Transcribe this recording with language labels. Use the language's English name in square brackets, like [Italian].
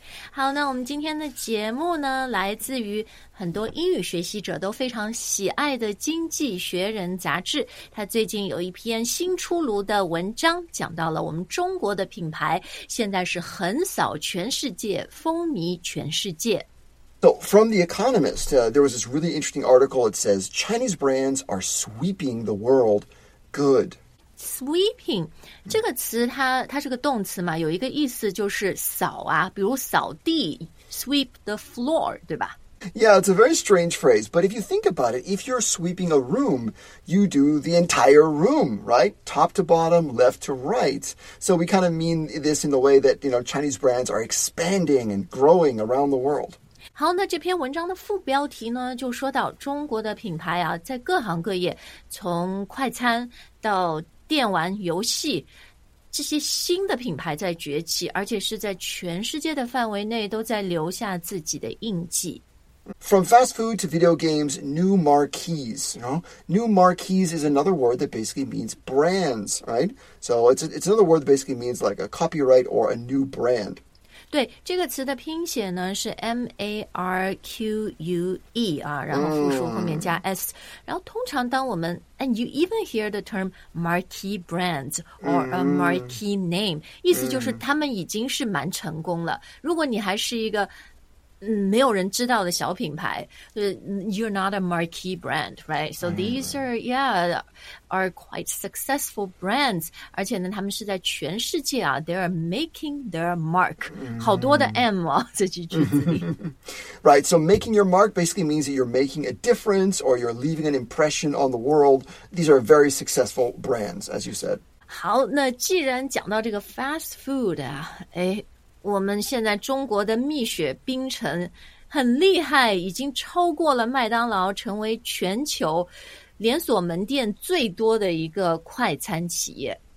[Chinese] 好，那我们今天的节目呢，来自于很多英语学习者都非常喜爱的《经济学人》杂志，他最近有一篇新出炉的文章，讲到了我们中国的品牌现在是横扫全世界，风靡全世界。 [English] So from The Economist,there was this really interesting article. It says Chinese brands are sweeping the world good. [Chinese] Sweeping, 这个词它是个动词嘛，有一个意思就是扫啊，比如扫地 , [English] sweep the floor, [Chinese] 对吧？ [English] Yeah, it's a very strange phrase, but if you think about it, if you're sweeping a room, you do the entire room, right? Top to bottom, left to right. So we kind of mean this in the way that, you know, Chinese brands are expanding and growing around the world. [Chinese] 好，那这篇文章的副标题呢，就说到中国的品牌啊，在各行各业，从快餐到电玩游戏，这些新的品牌在崛起，而且是在全世界的范围内都在留下自己的印记。 [English] From fast food to video games, new marquees. You know? New marquees is another word that basically means brands, right? So it's another word that basically means like a copyright or a new brand. [Chinese] 对这个词的拼写呢是 marque 啊，然后复数后面加 s，然后通常当我们 [English] and you even hear the term marquee brands or a marquee name， [Chinese] 意思就是他们已经是蛮成功了。如果你还是一个没有人知道的小品牌，就是 [English] you're not a marquee brand, right? So these are quite successful brands. [Chinese] 而且呢，他们是在全世界啊 ， [English] they are making their mark. [Chinese] 好多的 M 啊，这句句子里。 [English] Right. So making your mark basically means that you're making a difference or you're leaving an impression on the world. These are very successful brands, as you said. [Chinese] 好，那既然讲到这个 fast food 啊，我们现在中国的蜜雪冰城很厉害，已经超过了麦当劳，成为全球连锁门店最多的一个快餐企业。